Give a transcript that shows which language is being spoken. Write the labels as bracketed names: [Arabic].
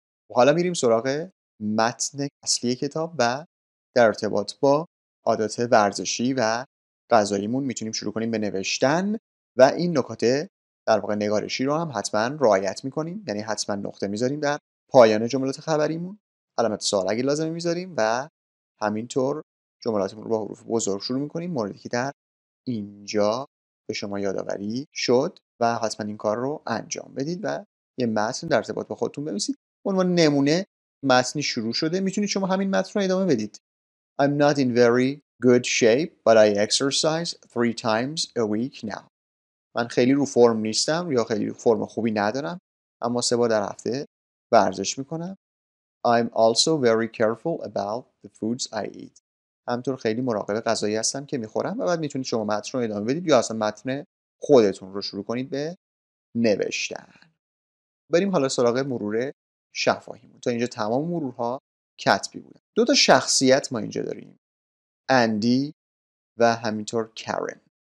[Persian] و حالا میریم سراغ متن اصلی کتاب و در ارتباط با عادات ورزشی و غذاییمون میتونیم شروع کنیم به نوشتن و این نکات در واقع نگارشی رو هم حتما رعایت میکنیم، یعنی حتما نقطه میذاریم در پایان جملات خبریمون، علامت سوال اگه لازمه میذاریم و همینطور جملاتمون رو با حروف بزرگ شروع میکنیم، موردی که در اینجا به شما یادآوری شد و حتما این کار رو انجام بدید و یه متن در ارتباط با خودتون بنویسید. عنوان نمونه متنی شروع شده، میتونید شما همین متن رو ادامه بدید. [English] I'm not in very good shape, but I exercise 3 times a week now. [Persian] من خیلی رو فرم نیستم یا خیلی فرم خوبی ندارم، اما 3 بار در هفته ورزش میکنم. [English] I'm also very careful about the foods I eat. [Persian] همطور خیلی مراقب غذایی هستم که میخورم. و بعد میتونید شما متن رو ادامه بدید یا اصلا متن خودتون رو شروع کنید به نوشتن. بریم حالا سراغ مرور شفاهیمون. تا اینجا تمام مرورها کتبی بودن. دو تا شخصیت ما اینجا داریم، اندی و همینطور کارن.